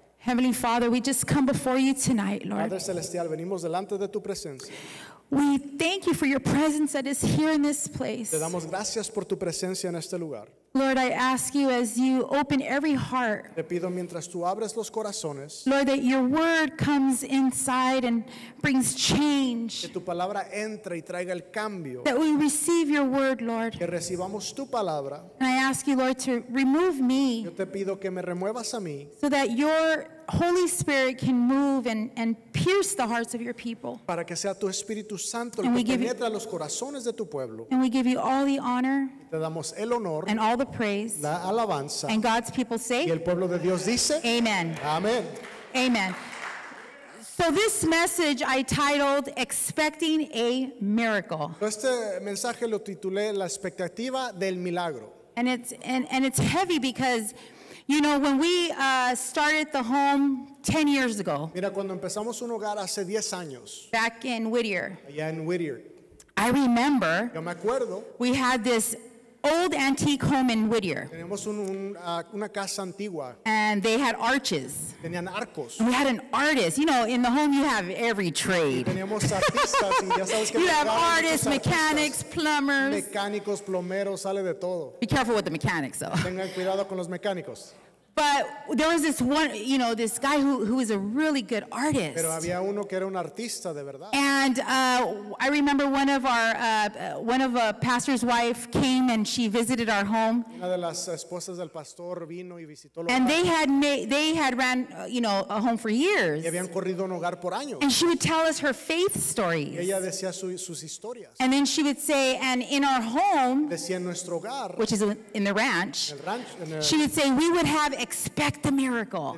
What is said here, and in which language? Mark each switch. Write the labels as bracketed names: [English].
[English] Heavenly Father, we just come before you tonight, Lord. [Spanish] Padre Celestial, venimos delante de tu presencia. [English] We thank you for your presence that is here in this place. [Spanish] Te damos gracias por tu presencia en este lugar. [English] Lord, I ask you as you open every heart. [Spanish] Te pido mientras tú abres los corazones. [English] Lord, that your word comes inside and brings change. [Spanish] Que tu palabra entre y traiga el cambio. [English] That we receive your word, Lord. [Spanish] Que recibamos tu palabra. [English] And I ask you, Lord, to remove me. [Spanish] Yo te pido que me remuevas a mí. [English] So that your Holy Spirit can move and pierce the hearts of your people. [Spanish] Para que sea tu Espíritu Santo el que penetre los corazones de tu pueblo. [English] And we give you all the honor. [Spanish] Te damos el honor. [English] And all the praise. [Spanish] La alabanza. [English] And God's people say. [Spanish] Y el pueblo de Dios dice. [English] Amen. [Spanish] Amen. [English] Amen. So this message I titled "Expecting a Miracle." [Spanish] Este mensaje lo titulé "La expectativa del milagro." [English] And it's heavy because. You know, when we started the home 10 years ago. [Spanish] Mira, cuando empezamos un hogar hace 10 años. [English] Back in Whittier. [Spanish] Allá en Whittier. [English] I remember. [Spanish] Yo me acuerdo. [English] We had this old antique home in Whittier. [Spanish] Teníamos una casa antigua. [English] And they had arches. [Spanish] Tenían arcos. [English] We had an artist. You know, in the home you have every trade. [Spanish] Teníamos artistas y ya sabes que [English] you have artists, mechanics, plumbers. [Spanish] Mecánicos, plomeros, sale de todo. [English] Be careful with the mechanics, though. [Spanish] Tengan cuidado con los mecánicos. [English] But there was this one, you know, this guy who was a really good artist. [Spanish] Pero había uno que era un artista de verdad. [English] And I remember one of our one of a pastor's wife came and she visited our home. [Spanish] Una de las esposas del pastor vino y visitó el hogar. [English] And they had ran you know, a home for years. [Spanish] Y habían corrido un hogar por años. [English] And she would tell us her faith stories. [Spanish] Y ella decía sus historias. [English] And then she would say, and in our home, [Spanish] decía en nuestro hogar, [English] which is in the ranch, [Spanish] el ranch, en el, [English] she would say we would have expect the miracle.